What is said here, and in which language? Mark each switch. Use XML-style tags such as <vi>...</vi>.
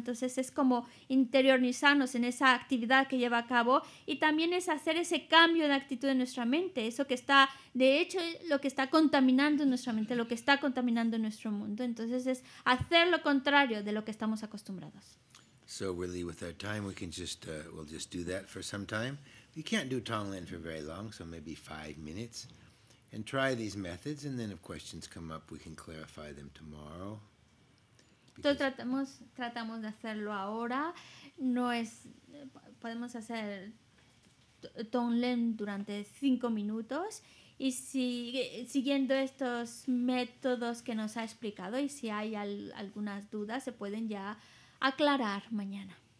<es>Entonces es como interiorizarnos en esa actividad que lleva a cabo y también es hacer ese cambio de actitud en nuestra mente, eso que está, de hecho, lo que está contaminando nuestra mente, lo que está contaminando nuestro mundo. Entonces es hacer lo contrario de lo que estamos acostumbrados.</es> <en>So really with our time, we can just, we'll just do that for some time. You can't do Tonglen for very long, so maybe 5 minutes. And try these methods, and then if questions come up, we can clarify them tomorrow.</en> <es>Entonces tratamos de hacerlo ahora. No es, podemos hacer Tonglen durante 5 minutos. Y siguiendo estos métodos que nos ha explicado, y si hay algunas dudas, se pueden ya aclarar mañana.</es>